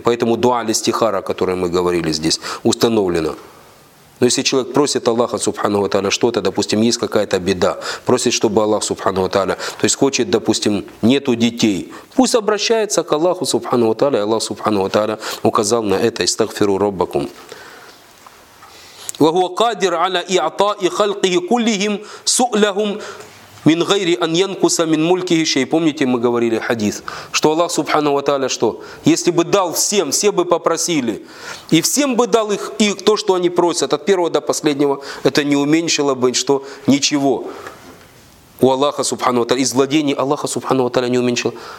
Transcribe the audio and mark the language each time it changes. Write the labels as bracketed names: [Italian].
[Russian] Поэтому дуа листихара, о которой мы говорили здесь, установлено. Но если человек просит Аллаха, субхану ва тааля, что-то, допустим, есть какая-то беда, просит, чтобы Аллах, субхану ва тааля, то есть хочет, допустим, нету детей, пусть обращается к Аллаху, субхану ва тааля, и Аллах, субхану ва тааля, указал на это. [Arabic] «Истагфиру раббакум». وهو قادر على إعطاء خلقه كلهم سؤلهم من غير أن ينقص من ملكه شيء. [Russian] Помните, мы говорили хадис, что Аллах Субхану ва тааля, что если бы дал всем, все бы попросили, и всем бы дал их, и то, что они просят, от первого до последнего, это не уменьшило бы что ничего у Аллаха Субхану ва тааля, из владений Аллаха Субхану ва тааля не уменьшило.